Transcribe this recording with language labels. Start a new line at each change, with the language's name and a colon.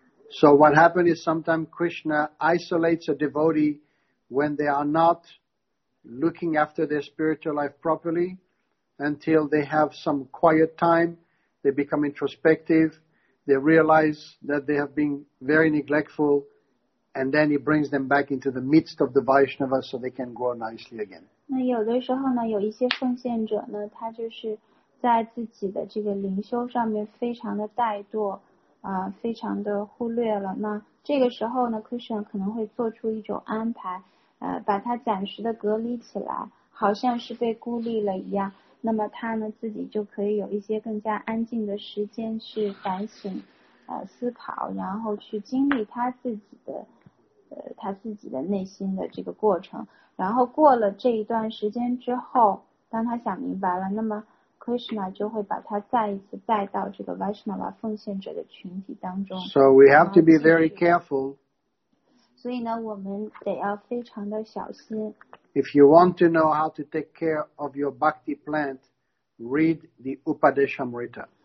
English: So what happened is sometimes Krishna isolates a devotee when they are not looking after their spiritual life properly until they have some quiet time, they become introspective, they realize that they have been very neglectful, and then he brings them back into the midst of the Vaishnava so they can grow nicely again.
Chinese: 那有的时候呢，有一些奉献者呢，他就是在自己的这个灵修上面非常的怠惰，非常的忽略了。那这个时候呢 ，Krishna 可能会做出一种安排，把他暂时的隔离起来，好像是被孤立了一样。那么他呢，自己就可以有一些更加安静的时间去反省，思考，然后去经历他自己的内心的这个过程。然后过了这一段时间之后，当他想明白了，那么Krishna 就会把他再一次带到这个 Vaishnava 奉献者的群体当中。
English: So we have to be very careful.
Chinese: 所以呢，我们得要非常的小心。
English: If you want to know how to take care of your bhakti plant, read the Upadeshamrita.